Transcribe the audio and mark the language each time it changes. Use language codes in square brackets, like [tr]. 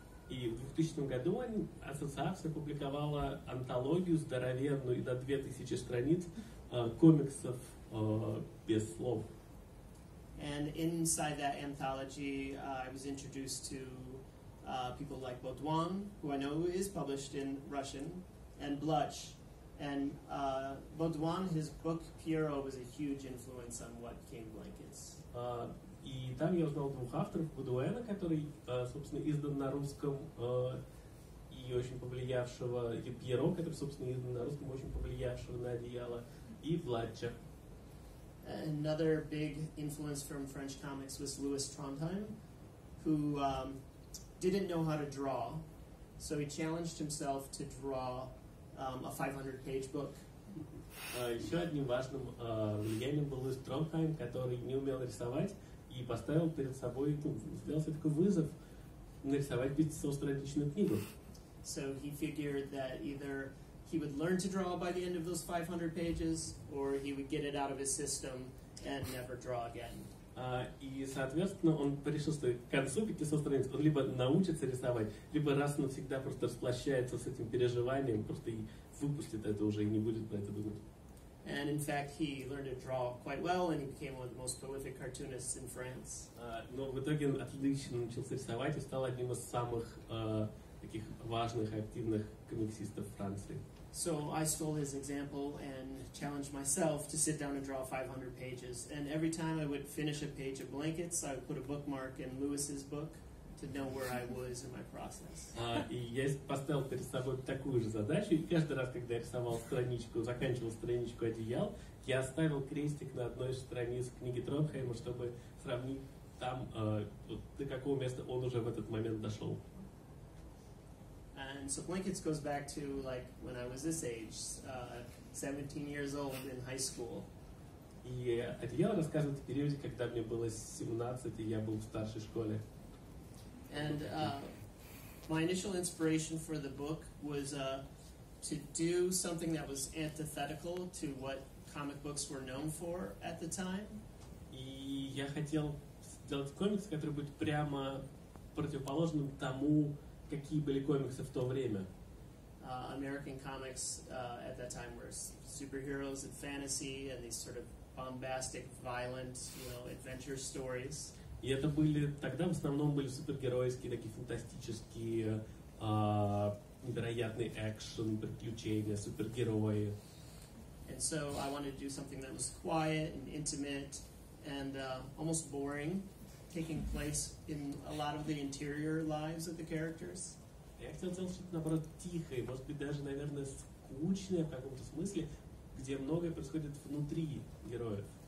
[ru] И в 2000 году ассоциация публиковала антологию здоровенную до 2000 страниц комиксов без слов. [en] And inside that anthology, I was introduced to people like Baudouin, who I know is published in Russian, and Blutch. And Baudouin, his book Pierrot, was a huge influence on what came blankets. [ru] И там я узнал двух авторов, Бодуэна, который, собственно, издан на русском, и очень повлиявшего, и Пьеро, который, собственно, издан на русском, очень повлиявшего на одеяло, и Владча. [en] Another big influence from French comics was Louis Trondheim, who didn't know how to draw, so he challenged himself to draw a 500-page book. [ru] Еще одним важным влиянием был Луис Тронхайм, который не умел рисовать, и поставил перед собой, сделал себе такой вызов нарисовать 500-страничную книгу. [en] So he figured that either he would learn to draw by the end of those 500 pages, or he would get it out of his system and never draw again. [ru] И, соответственно, он пришел к концу 500 страниц, он либо научится рисовать, либо раз навсегда просто расплощается с этим переживанием, просто и выпустит это уже, и не будет про это думать. [en] And in fact, he learned to draw quite well, and he became one of the most prolific cartoonists in France. [ru] Но в итоге он отлично начался рисовать и стал одним из самых таких важных и активных комиксистов Франции. [en] So I stole his example and challenged myself to sit down and draw 500 pages. And every time I would finish a page of blankets, I would put a bookmark in Lewis's book to know where I was in my process. [ru] И я поставил перед собой такую же задачу, и каждый раз, когда я рисовал страничку, заканчивал страничку одеял, я оставил крестик на одной из страниц книги Тронхейма, чтобы сравнить там, до какого места он уже в этот момент дошел. [en] And so blankets goes back to, like, when I was this age, 17 years old in high school. [ru] И одеяло рассказывает о периоде, когда мне было 17, и я был в старшей школе. [en] And my initial inspiration for the book was to do something that was antithetical to what comic books were known for at the time. [ru] И я хотел делать комикс, который будет прямо противоположным тому, какие были комиксы в то время. [en] American comics at that time were superheroes and fantasy and these sort of bombastic, violent, you know, adventure stories. [ru] И это были тогда в основном были супергеройские, такие фантастические, невероятные экшен, приключения, супергерои. [en] And so I wanted to do something that was quiet and intimate and almost boring, taking place in a lot of the interior lives of the characters. [ru] Я хотел сделать что-то, наоборот, тихое, может быть, даже, наверное, скучное в каком-то смысле, где многое происходит внутри героев.